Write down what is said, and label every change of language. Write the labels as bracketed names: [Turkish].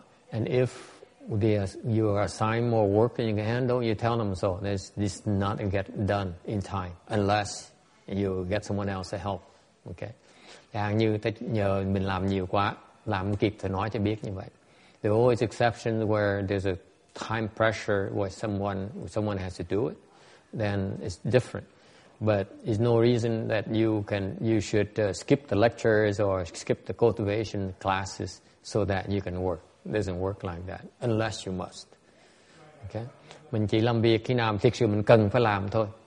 [English] And if you are assigned more work than you can handle, you tell them so. This is not going to get done in time unless you get someone else to help. Okay. [Vietnamese] Chẳng như ta nhờ mình làm nhiều quá, làm kịp thì nói cho biết như vậy. [English] There are always exceptions where there's a time pressure where someone has to do it. then it's different. But there's no reason that you should skip the lectures or skip the cultivation classes so that you can work. It doesn't work like that, unless you must. Okay? [Vietnamese] Mình chỉ làm việc khi nào thực sự mình cần phải làm thôi.